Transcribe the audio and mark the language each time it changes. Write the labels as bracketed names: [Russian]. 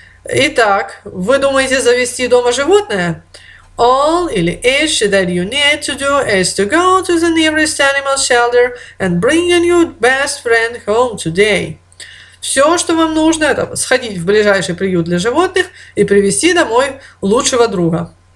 [Russian] Итак, вы думаете завести дома животное? [English] All [Russian] или [English] each that you need to do is to go to the nearest animal shelter and bring your new best friend home today. [Russian] Все, что вам нужно, это сходить в ближайший приют для животных и привести домой лучшего друга.